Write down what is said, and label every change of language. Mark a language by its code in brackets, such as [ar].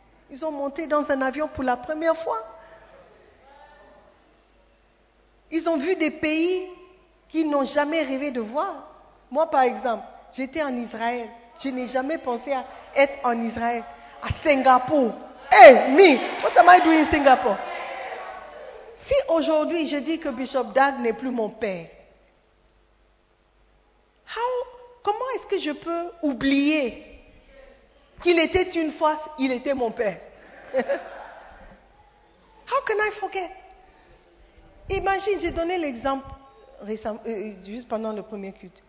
[fr] Ils ont monté dans un avion pour la première fois. Ils ont vu des pays qu'ils n'ont jamais rêvé de voir. Moi, par exemple, j'étais en Israël. Je n'ai jamais pensé à être en Israël, à Singapour. [en] Hey, me, what am I doing in Singapore? [fr] Si aujourd'hui je dis que Bishop Dag n'est plus mon père, comment est-ce que je peux oublier qu'il était une fois, il était mon père? [en] How can I forget? Imagine, [fr] j'ai donné l'exemple juste pendant le premier culte.